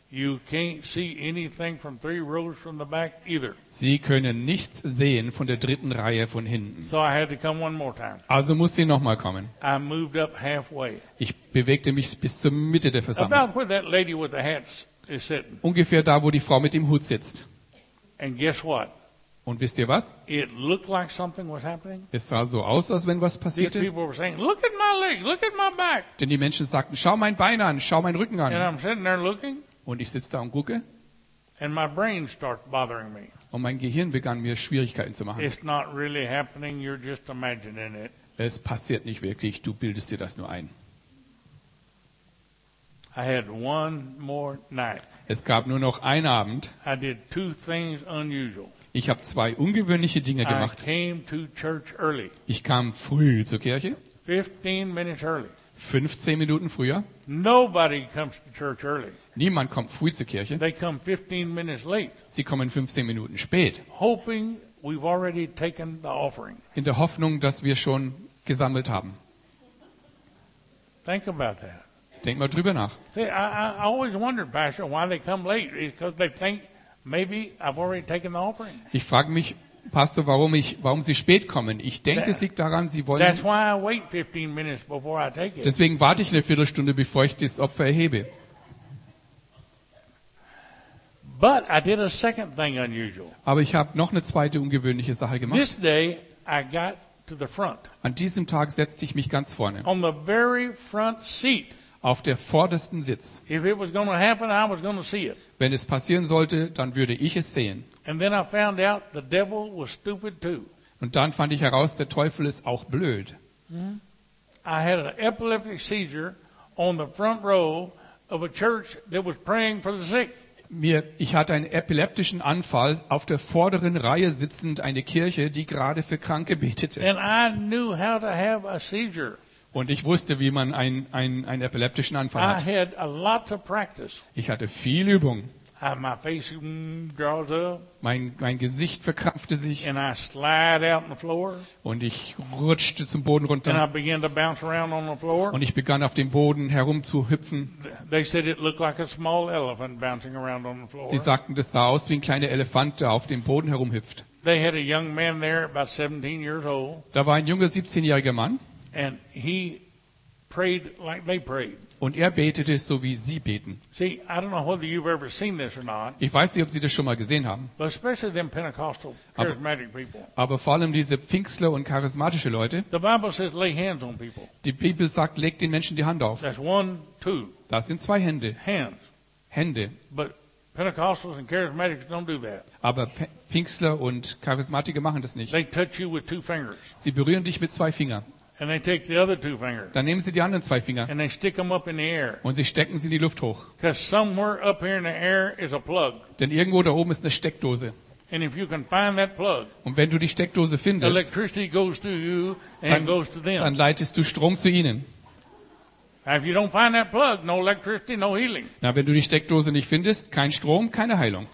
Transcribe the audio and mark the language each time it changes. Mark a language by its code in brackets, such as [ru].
[en] You can't see anything from 3 rows from the back either. [de] Sie können nichts sehen von der 3. Reihe von hinten. [en] So I had to come one more time. [de] Also musste ich nochmal kommen. [en] I moved up halfway. [de] Ich bewegte mich bis zur Mitte der Versammlung. [en] About where that lady with the hat is sitting. [de] Ungefähr da, wo die Frau mit dem Hut sitzt. [en] And guess what? [de] Und wisst ihr was? [en] It looked like something was happening. [de] Es sah so aus, als wenn was passierte. [en] These people were saying, "Look at my leg, look at my back." [de] Denn die Menschen sagten, schau mein Bein an, schau mein Rücken an. [en] And I'm sitting there looking. [de] Und ich sitze da und gucke. [en] And my brain starts bothering me. [de] Und mein Gehirn begann mir Schwierigkeiten zu machen. [en] It's not really happening, you're just imagining it. [de] Es passiert nicht wirklich, du bildest dir das nur ein. [en] I had one more night. [de] Es gab nur noch einen Abend. [en] I did 2 things unusual. [de] Ich habe 2 ungewöhnliche Dinge gemacht. [en] I came to church early. [de] Ich kam früh zur Kirche. [en] 15 minutes early. [de] 15 Minuten früher. [en] Nobody comes to church early. [de] Niemand kommt früh zur Kirche. [en] They come 15 minutes late. [de] Sie kommen 15 Minuten spät. [en] Hoping we've already taken the offering. [de] In der Hoffnung, dass wir schon gesammelt haben. [en] Think about that. [de] Denk mal drüber nach. [en] See, I always wondered, Pastor, why they come late. It's because they think maybe I've already taken the offering. [de] Ich frage mich, Pastor, warum Sie spät kommen. Ich denke, es liegt daran, Sie wollen. [en] That's why I wait 15 minutes before I take it. [de] Deswegen warte ich eine Viertelstunde, bevor ich das Opfer erhebe. [en] But I did a second thing unusual. [de] Aber ich habe noch eine zweite ungewöhnliche Sache gemacht. [en] This day I got to the front. [de] An diesem Tag setzte ich mich ganz vorne. [en] On the very front seat. [de] Auf der vordersten Sitz. [en] If it was going to happen, I was going to see it. [de] Wenn es passieren sollte, dann würde ich es sehen. [en] And then I found out the devil was stupid too. [de] Und dann fand ich heraus, der Teufel ist auch blöd. [en] I had an epileptic seizure on the front row of a church that was praying for the sick. [de] Ich hatte einen epileptischen Anfall auf der vorderen Reihe sitzend, eine Kirche, die gerade für Kranke betete. [en] And I knew how to have a seizure. [de] Und ich wusste, wie man einen epileptischen Anfall hat. [en] I had a lot of practice. [de] Ich hatte viel Übung. [en] My face draws up. [de] Mein Gesicht verkrampfte sich. [en] And I slide out on the floor. [de] Und ich rutschte zum Boden runter. [en] And I began to bounce around on the floor. [de] Und ich begann auf dem Boden herumzuhüpfen. [en] They said it looked like a small elephant bouncing around on the floor. [de] Sie sagten, das sah aus wie ein kleiner Elefant, der auf dem Boden herumhüpft. [en] They had a young man there, about 17 years old. [de] Da war ein junger 17-jähriger Mann. [en] And he prayed like they prayed. [de] Und er betete so, wie sie beten. [en] See, I don't know whether you've ever seen this or not. [de] Ich weiß nicht, ob Sie das schon mal gesehen haben. [en] But especially them Pentecostal charismatic people. [de] Aber vor allem diese Pfingstler und charismatische Leute. [en] The Bible says lay hands on people. [de] Die Bibel sagt, legt den Menschen die Hand auf. [en] That's one, two. [de] Das sind zwei Hände. [en] Hands. [de] Hände. [en] But Pentecostals and charismatics don't do that. [de] Aber Pfingstler und Charismatiker machen das nicht. [en] They touch you with two fingers. [de] Sie berühren dich mit zwei Fingern. [en] And they take the other two fingers. [de] Dann nehmen sie die anderen zwei Finger. [en] And they stick them up in the air. [de] Und sie stecken sie in die Luft hoch. [en] Because somewhere up here in the air is a plug. [de] Denn irgendwo da oben ist eine Steckdose. [en] And if you can find that plug. [de] Und wenn du die Steckdose findest. [en] Electricity goes to you and goes to them. [de] Dann leitest du Strom zu ihnen. [en] Now if you don't find that plug, no electricity, no healing. [de] Na, wenn du die Steckdose nicht findest, kein Strom, keine Heilung.